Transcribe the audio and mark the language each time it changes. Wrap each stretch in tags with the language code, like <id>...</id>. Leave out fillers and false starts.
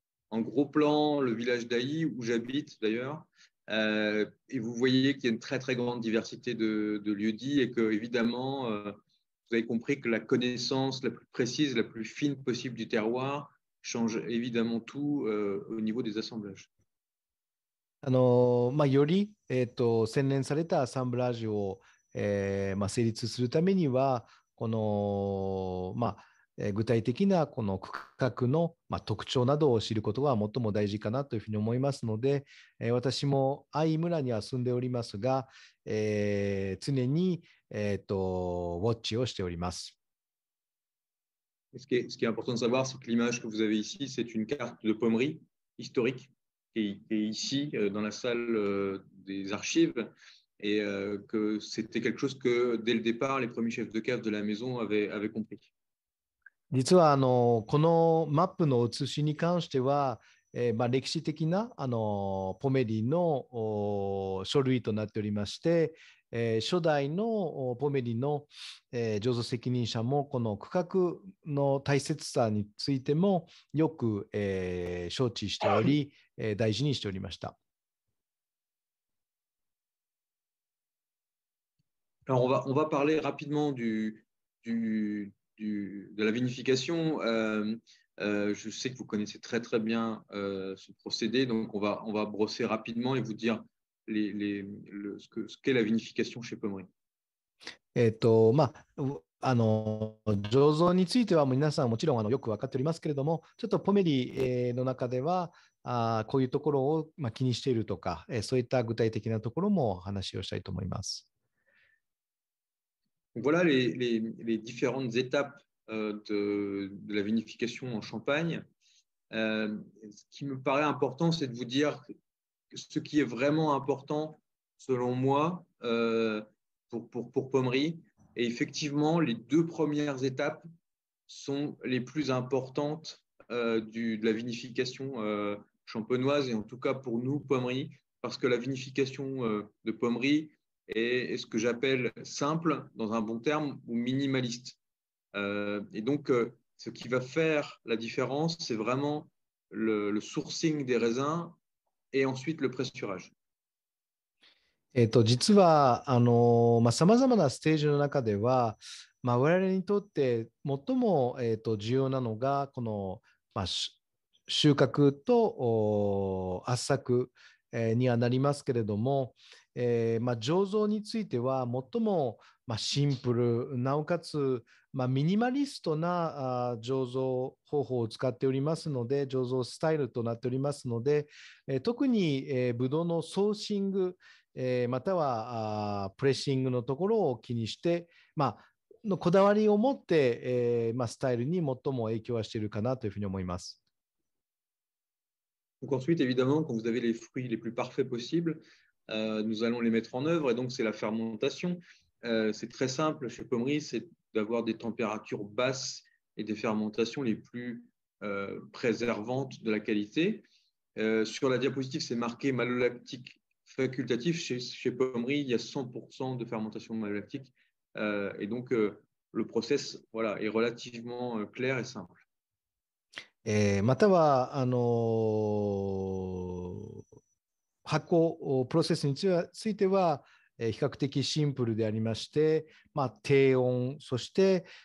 <fr>En gros plan, le village d'Aï, où j'habite d'ailleurs, et vous voyez qu'il y a une très très grande diversité de lieux-dits et que, évidemment, vous avez compris que la connaissance la plus précise, la plus fine possible du terroir change évidemment tout au niveau des assemblages.</fr> <ja>まあ、より、洗練されたアサンブラージュを、まあ、成立するためには、この、まあ具体的なこの区画の特徴などを知ることが最も大事かなというふうに思いますので私もアイ村には住んでおりますが、常に、ウォッチをしております。</ja> <fr>Ce qui est important de savoir, c'est que l'image que vous avez ici, c'est une carte de pommerie historique qui est ici dans la salle des archives et que c'était quelque chose que dès le départ, les premiers chefs de cave de la maison avaient compris。</fr> <ja>実はあのこのマップの写しに関しては、まあ、歴史的なあのポメリの書類となっておりまして、初代のポメリの、醸造責任者もこの区画の大切さについてもよく、承知しており、大事にしておりました。</ja> <fr>Alors, on va parler rapidement de la vinification. Je sais que vous connaissez très très bien ce procédé, donc on va brosser rapidement et vous dire ce qu'est la vinification chez Pommery.</fr> <ja>まああの醸造についてはもう皆さんもちろんあのよく分かっておりますけれども、ちょっとポメリの中ではこういうところを、まあ、気にしているとか、そういった具体的なところも話をしたいと思います。</ja> <fr>Voilà les différentes étapes de la vinification en Champagne. Ce qui me paraît important, c'est de vous dire ce qui est vraiment important, selon moi, pour Pommery. Et effectivement, les deux premières étapes sont les plus importantes de la vinification champenoise, et en tout cas pour nous, Pommery, parce que la vinification de Pommery est ce que j'appelle simple, dans un bon terme, ou minimaliste. Et donc, ce qui va faire la différence, c'est vraiment le sourcing des raisins et ensuite le pressurage.</fr> <ja>実は、あの、まあ、様々なステージの中では、まあ、我々にとって最も、重要なのが、この、まあ、収穫と圧搾にはなりますけれども、まあ、醸造については最も、まあ、シンプルなおかつ、まあ、ミニマリストな醸造方法を使っておりますので醸造スタイルとなっておりますので、特に、ブドウのソーシング、またはプレッシングのところを気にして、まあ、のこだわりを持って、まあ、スタイルに最も影響はしているかなというふうに思います。</ja> <fr>Donc ensuite, évidemment, quand vous avez les fruits les plus parfaits possibles, nous allons les mettre en œuvre. Et donc, c'est la fermentation. C'est très simple chez Pommery, c'est d'avoir des températures basses et des fermentations les plus préservantes de la qualité. Sur la diapositive, c'est marqué malolactique facultatif. Chez Pommery, il y a 100% de fermentation malolactique. Et donc, le process, voilà, est relativement clair et simple.</fr> <ja>またはあの発酵プロセスについては比較的シンプルでありまして、まあ、低温そして、</ja>